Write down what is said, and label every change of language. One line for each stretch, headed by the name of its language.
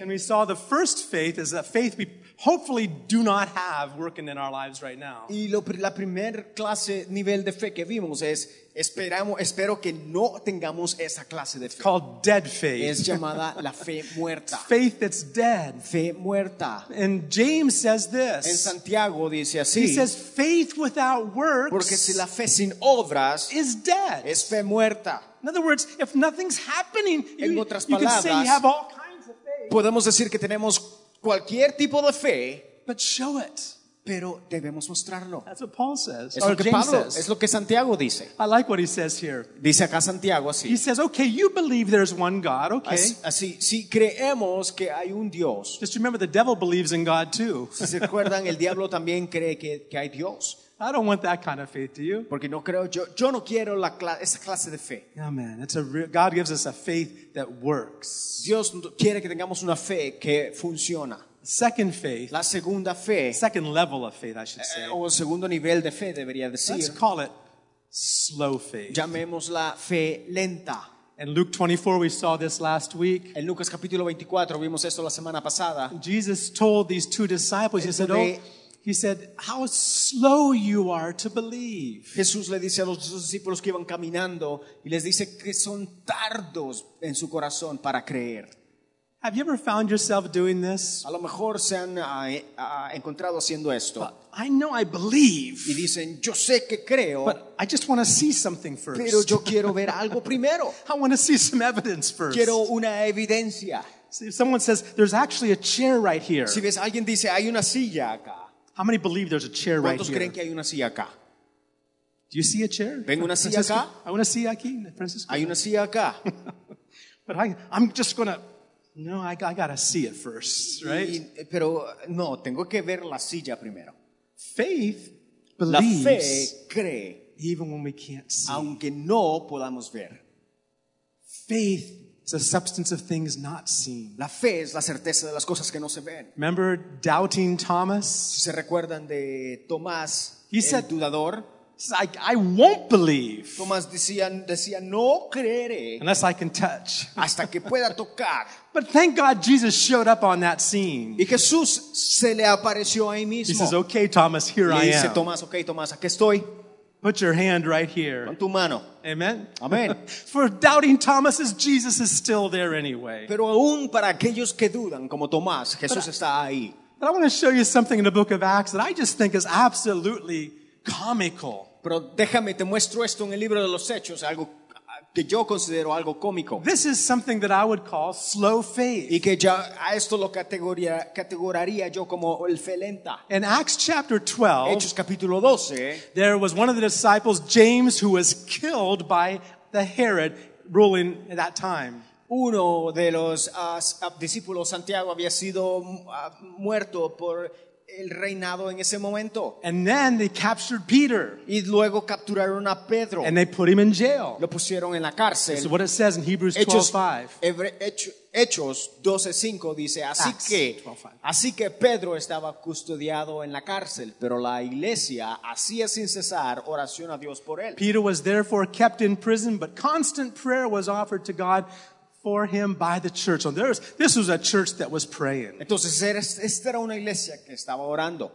English: And we saw the first faith is a faith we hopefully do not have working in our lives right now.
Spanish: Y la primer clase nivel de fe que vimos es espero que no tengamos esa clase de fe.
English: It's called dead faith.
Spanish: Es llamada la fe muerta.
English: Faith that's dead.
Spanish: Fe muerta.
English: And James says this.
Spanish: En Santiago dice así.
English: He says faith without works.
Spanish: Porque si la fe sin obras
English: is dead.
Spanish: Es fe muerta.
English: In other words, if nothing's happening,
Spanish: en otras palabras,
English: you can say you have all kinds of faith.
Spanish: Podemos decir que tenemos cualquier tipo de fe,
English: but show it.
Spanish: Pero debemos mostrarlo.
English: That's what Paul says.
Spanish: Es lo que
English: James
Spanish: Pablo,
English: says.
Spanish: Es lo que Santiago dice.
English: I like what he says here.
Spanish: Dice acá Santiago así.
English: He says, okay, you believe there's one God, okay.
Spanish: Así, si creemos que hay un Dios.
English: Just remember, the devil believes in God too.
Spanish: Si se acuerdan, el diablo también cree que hay Dios.
English: I don't want that kind of faith, do you?
Spanish: Porque no creo, yo no quiero esa clase de fe.
English: Yeah, man, God gives us a faith that works.
Spanish: Dios quiere que tengamos una fe que funciona.
English: Second faith,
Spanish: la segunda fe,
English: second level of faith, I should say.
Spanish: O segundo nivel de fe, debería decir.
English: Let's call it slow faith.
Spanish: Llamémosla fe lenta.
English: In Luke 24, we saw this last week.
Spanish: En Lucas capítulo 24, vimos esto la semana pasada.
English: Jesus told these two disciples, he said, oh, he said, how slow you are to believe.
Spanish: Jesús le dice a los discípulos que iban caminando, y les dice que son tardos en su corazón para creer.
English: Have you ever found yourself doing this?
Spanish: A lo mejor se han encontrado haciendo esto.
English: I know I believe.
Spanish: Y dicen, yo sé que creo.
English: But I just want to see something first.
Spanish: Pero yo quiero ver algo primero.
English: I want to see some evidence first.
Spanish: Quiero una evidencia.
English: See, if someone says, there's actually a chair right here.
Spanish: Si ves, alguien dice, hay una silla acá.
English: How many believe there's a chair right here?
Spanish: ¿Cuántos creen que hay una silla acá?
English: Do you see a chair?
Spanish: ¿Ven una silla acá?
English: I want to see aquí, Francisco.
Spanish: Hay una silla acá.
English: But I'm just going to. No, I gotta see it first, right?
Spanish: Pero no, tengo que ver la silla primero.
English: Faith believes.
Spanish: La fe cree.
English: even when we can't see.
Spanish: Aunque no podamos ver.
English: Faith is the substance of things not seen.
Spanish: La fe es la certeza de las cosas que no se ven.
English: Remember doubting Thomas?
Spanish: ¿Se recuerdan de Tomás, el dudador?
English: I won't believe.
Spanish: Tomás decía no creeré.
English: Unless I can touch.
Spanish: Hasta que pueda tocar.
English: But thank God Jesus showed up on that scene.
Spanish: Y Jesús se le apareció ahí mismo.
English: He says, "Okay, Thomas, here I am."
Spanish: Dice Tomás, "Okay, Tomás, aquí estoy."
English: Put your hand right here.
Spanish: Con tu mano.
English: Amen.
Spanish: Amen.
English: For doubting Thomas's, Jesus is still there anyway.
Spanish: Pero aún para aquellos que dudan como Tomás, Jesús está ahí.
English: But I want to show you something in the book of Acts that I just think is absolutely comical.
Spanish: Pero déjame te muestro esto en el libro de los Hechos, algo que yo considero algo cómico.
English: This is something that I would call slow faith.
Spanish: Y que ya a esto lo categoraría yo como el fe lenta.
English: In Acts chapter 12,
Spanish: Hechos capítulo 12,
English: there was one of the disciples, James, who was killed by the Herod ruling at that time.
Spanish: Uno de los discípulos, Santiago, había sido muerto por el reinado en ese momento.
English: And then they captured Peter.
Spanish: Y luego capturaron a Pedro.
English: And they put him in jail.
Spanish: Lo pusieron en la cárcel.
English: So what it says in Hebrews 12:5.
Spanish: Hechos 12:5 dice, así que Pedro estaba custodiado en la cárcel, pero la iglesia hacía sin cesar oración a Dios por él.
English: Peter was therefore kept in prison, but constant prayer was offered to God for him by the church. So there was, this was a church that was praying.
Spanish: Entonces, esta era una iglesia que estaba orando.